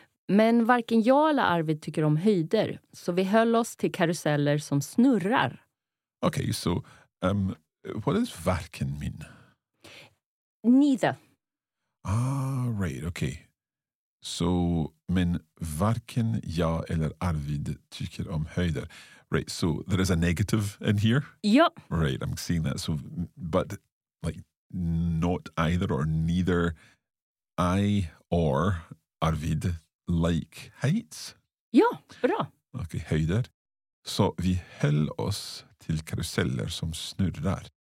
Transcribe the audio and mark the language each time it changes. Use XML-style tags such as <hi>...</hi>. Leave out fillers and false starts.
<sv>Men varken jag eller Arvid tycker om höjder, så vi höll oss till karuseller som snurrar.</sv> <en>Okej, okay, så what does varken mean? Neither. Ah, right, okay.</en> <sv>So, men varken jag eller Arvid tycker om höjder.</sv> <en>Right, so there is a negative in here? Yep. Right, I'm seeing that. So, but like not either or neither I or Arvid like heights?</en> <sv>Ja, bra. Okej, höjder. Så vi höll oss till karuseller som snurrar.</sv>